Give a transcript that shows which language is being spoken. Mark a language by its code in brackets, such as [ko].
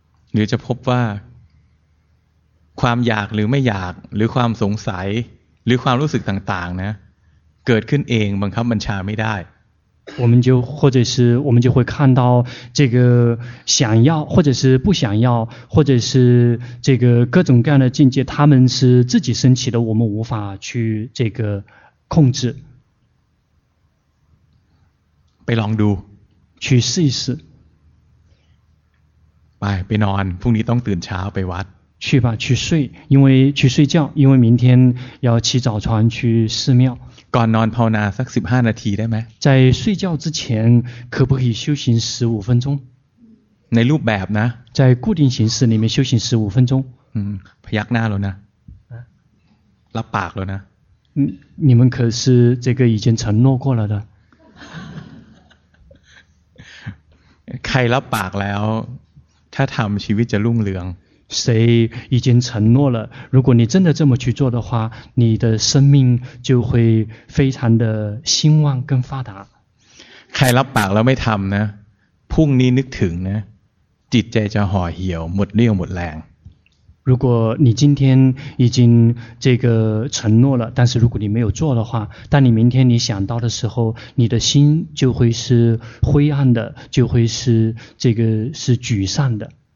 [zh] 你就 [th] พบว่าความอยากหรือไม่อยากหรือความสงสัยหรือความรู้สึกต่างๆนะเกิดขึ้นเองบังคับบัญชาไม่ได้ [zh] 我们就会看到这个想要或者是不想要或者是这个各种各样的境界他们是自己升起的我们无法去这个控制 [th] ไปลองดู [zh] 去试一试 [th] ไปไปนอนพรุ่งนี้ต้องตื่นเช้าไปวัด [zh] 去吧去睡因为去睡觉因为明天要起早船去寺庙 [th] ก่อนนอนภาวนาสัก15นาทีได้ไหม [zh] 在睡觉之前可不可以修行15分钟 [th] ในรูปแบบนะ [zh] 在固定形式里面修行15分钟 [th] พยักหน้าแล้วนะรับปากแล้วนะ [zh] 你们可是这个已经承诺过了的 [th] ใครรับปากแล้วถ้าทำชีวิตจะรุ่งเรือง [zh] 谁已经承诺了，如果你真的这么去做的话，你的生命就会非常的兴旺跟发达。 [th] ใครรับปากแล้วไม่ทำนะพรุ่งนี้นึกถึงนะจิตใจจะห่อเหี่ยวหมดเรี่ยวหมดแรง [zh] 如果你今天已经这个承诺了，但是如果你没有做的话，当你明天你想到的时候，你的心就会是灰暗的，就会是这个是沮丧的。